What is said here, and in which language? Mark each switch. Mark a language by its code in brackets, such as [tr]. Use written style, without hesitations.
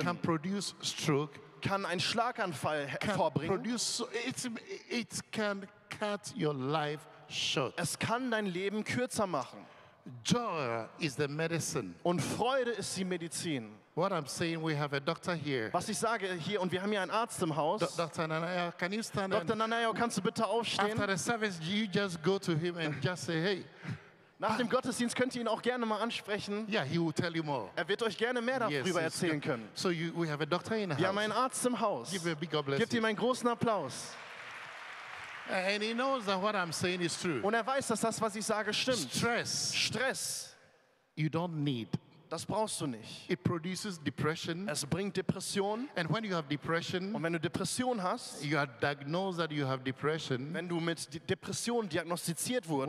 [en] Can produce stroke. [de] Kann einen Schlaganfall hervorbringen. [en] It can cut your life short. [de] Es kann dein Leben kürzer machen. [en] Joy is the medicine. [de] Und Freude ist die Medizin. [en] What I'm saying, we have a doctor here. [de] Was ich sage hier und wir haben hier einen Arzt im Haus. [en] Dr. Nanayo, can you stand? [de] Dr. Nanayo, kannst du bitte aufstehen? [en] After the service, you just go to him and just say, hey. [de] Nach dem Gottesdienst könnt ihr ihn auch gerne mal ansprechen. [en] Yeah, he will tell you more. [de] Er wird euch gerne mehr darüber erzählen können. [en] So we have a doctor in the house. [de] Wir haben einen Arzt im Haus. [en] Give him a big God bless. [de] Gebt ihm einen großen Applaus. [en] And he knows that what I'm saying is true. [de] Und weiß, dass das, was ich sage, stimmt. [en] Stress. You don't need. [de] Das brauchst du nicht. [en] It produces depression. [de] Es bringt Depression. [en] And when you have depression, [de] und wenn du Depression hast, [en] you are diagnosed that you have depression. [de] Wenn du mit Depression diagnostiziert wurdest,